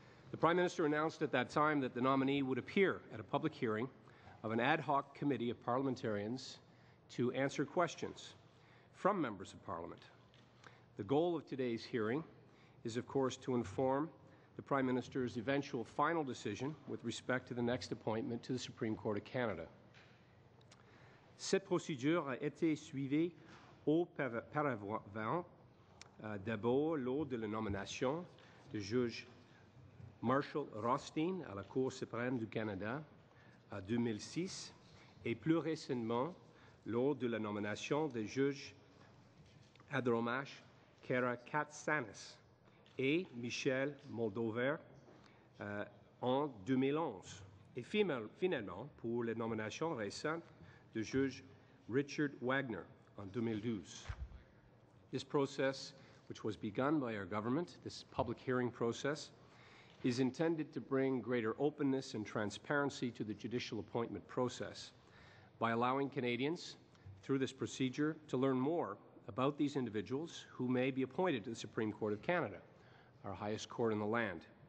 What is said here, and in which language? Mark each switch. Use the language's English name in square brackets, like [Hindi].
[English] The Prime Minister announced at that time that the nominee would appear at a public hearing of an ad hoc committee of parliamentarians to answer questions from members of Parliament. The goal of today's hearing is, of course, to inform the Prime Minister's eventual final decision with respect to the next appointment to the Supreme Court of Canada. [French] Cette procédure a été suivie auparavant, d'abord lors de la nomination du juge Marshall Rothstein à la Cour suprême du Canada en 2006 et plus récemment lors de la nomination du juge Adromash Kerakatsanis et Michel Moldover en 2011 et finalement pour les nominations récentes du juge Richard Wagner en 2012. [English] This process, which was begun by our government, this public hearing process, is intended to bring greater openness and transparency to the judicial appointment process by allowing Canadians, through this procedure, to learn more about these individuals who may be appointed to the Supreme Court of Canada, our highest court in the land.